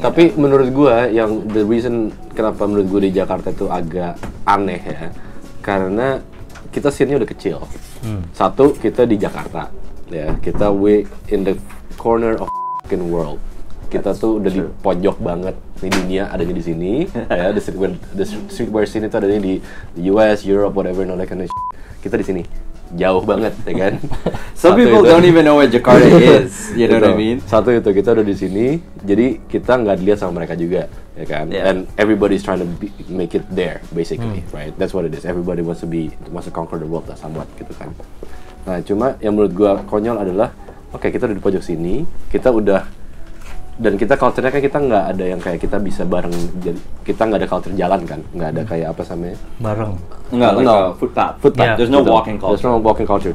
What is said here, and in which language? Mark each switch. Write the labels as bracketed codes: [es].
[id] Tapi menurut gue, yang [en] the reason [id] kenapa menurut gue di Jakarta itu agak aneh ya, karena kita scene-nya udah kecil. Satu, kita di Jakarta. Ya, kita [en] we in the corner of fucking world. [id] Kita tuh udah di pojok banget. Ini dunia adanya di sini. [en] Ya, the streetwear scene [id] itu adanya di [en] US, Europe, whatever, no like that. [id] Kita di sini. Jauh banget, ya kan? [en] Some people itu, don't even know where Jakarta is, you know itu, what I mean? [id] Satu itu, kita udah di sini, jadi kita nggak dilihat sama mereka juga, ya kan? [en] Yeah. And everybody's trying to make it there, basically, right? That's what it is, everybody wants to be, wants to conquer the world lah, somewhat, [id] gitu kan? Nah, cuma yang menurut gua konyol adalah, okay, kita udah di pojok sini, kita udah, dan kita culture-nya kan kita nggak ada yang kayak kita bisa bareng, kita nggak ada culture jalan kan, nggak ada kayak apa namanya bareng, nggak [en] like footpath. Yeah. there's no walking culture